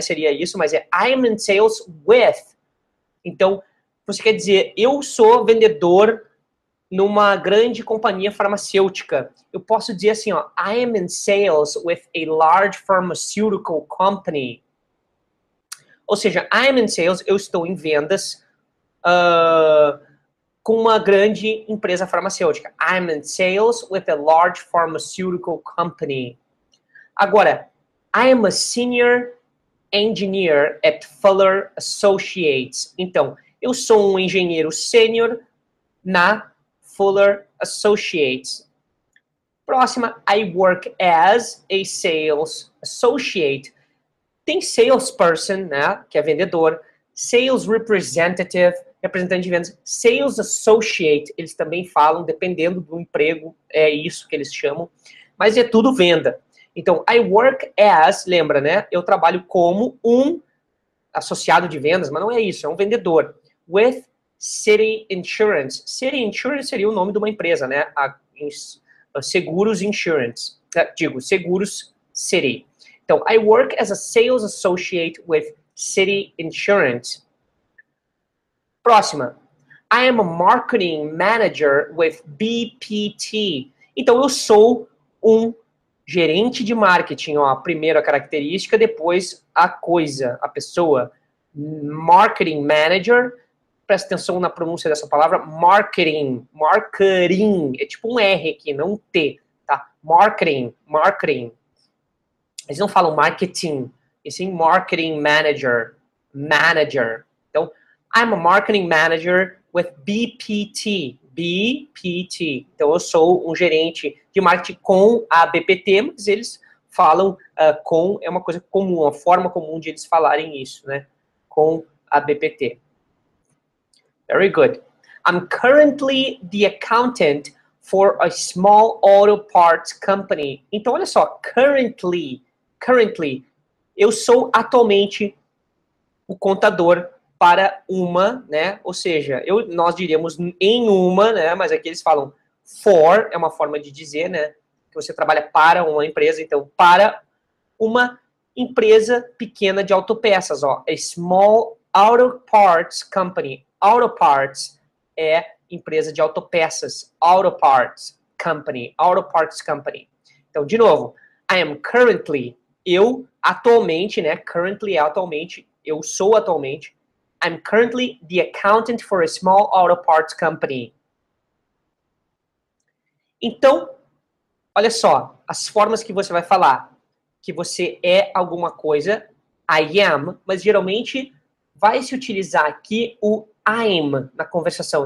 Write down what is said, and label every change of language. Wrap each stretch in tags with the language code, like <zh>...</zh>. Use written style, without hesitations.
<pt>Seria isso, mas é</pt> <en>I'm in sales with.</en> <pt>Então, você quer dizer, eu sou vendedor numa grande companhia farmacêutica. Eu posso dizer assim, ó,</pt> <en>I am in sales with a large pharmaceutical company.</en> <pt>Ou seja,</pt> <en>I am in sales,</en> <pt>eu estou em vendas com uma grande empresa farmacêutica.</pt> <en>I am in sales with a large pharmaceutical company.</en> <pt>Agora,</pt> <en>I am a senior engineer at Fuller Associates.</en> <pt>Então, eu sou um engenheiro sênior na Fuller Associates. Próxima,</pt> <en>I work as a sales associate.</en> <pt>Tem salesperson, né, que é vendedor, sales representative, representante de vendas, sales associate, eles também falam, dependendo do emprego, é isso que eles chamam, mas é tudo venda. Então,</pt> <en>I work as,</en> <pt>lembra, né, eu trabalho como um associado de vendas, mas não é isso, é um vendedor. With City Insurance. City Insurance seria o nome de uma empresa, né? Seguros Insurance. Seguros City. Então,</pt> <en>I work as a sales associate with City Insurance.</en> <pt>Próxima.</pt> <en>I am a marketing manager with BPT.</en> <pt>Então, eu sou um gerente de marketing. Ó, primeiro a característica, depois a coisa, a pessoa. Marketing manager. Presta atenção na pronúncia dessa palavra, marketing, marketing, é tipo um R aqui, não um T, tá? Marketing, marketing. Eles não falam marketing, e sim marketing manager, manager. Então,</pt> <en>I'm a marketing manager with BPT, BPT.</en> <pt>Então, eu sou um gerente de marketing com a BPT, mas eles falam com, é uma coisa comum, uma forma comum de eles falarem isso, né? Com a BPT.</pt> <en>Very good. I'm currently the accountant for a small auto parts company.</en> <pt>Então, olha só, currently, eu sou atualmente o contador para uma, né? Ou seja, nós diríamos em uma, né? Mas aqui eles falam for, é uma forma de dizer, né? Que você trabalha para uma empresa, então, para uma empresa pequena de autopeças, ó.</pt> <en>A small auto parts company. Auto Parts</en> <pt>é empresa de autopeças.</pt> <en>Auto Parts Company. Auto Parts Company.</en> <pt>Então, de novo,</pt> <en>I am currently,</en> <pt>eu atualmente, né? Currently é atualmente, eu sou atualmente.</pt> <en>I'm currently the accountant for a small auto parts company.</en> <pt>Então, olha só, as formas que você vai falar que você é alguma coisa, I am, mas geralmente vai se utilizar aqui o I'm na conversação.</pt>